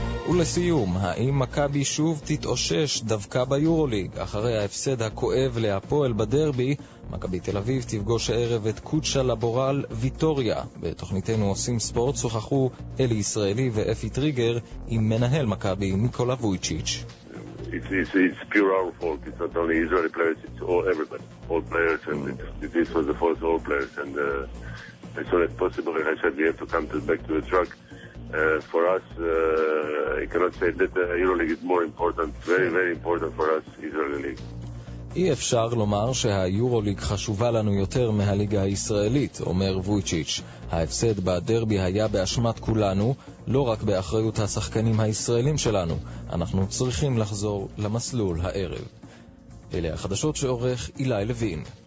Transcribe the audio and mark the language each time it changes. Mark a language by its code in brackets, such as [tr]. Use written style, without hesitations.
[he] ולסיום, האם מכבי שוב תתאושש דווקא ביורוליג? אחרי ההפסד הכואב להפועל בדרבי, מכבי תל אביב תפגוש הערב את קוצ'ה לבורל ויטוריה. בתוכניתנו עושים ספורט שוחחו אלי ישראלי ואפי טריגר עם מנהל מכבי ניקולה וויצ'יץ'. [en] It's pure our fault. It's not only Israeli players, it's all everybody, all players, and this was the fault of all players. And as soon as possible, and I said we have to come back to the truck. For us, I cannot say that the EuroLeague is more important, very, very important for us, Israeli League. [he] אי אפשר לומר שהיורוליג חשובה לנו יותר מהליגה הישראלית, אומר וויצ'יץ'. ההפסד בדרבי היה באשמת כולנו, לא רק באחריות השחקנים הישראלים שלנו. אנחנו צריכים לחזור למסלול הערב. אלה החדשות שעורך אילי לוין.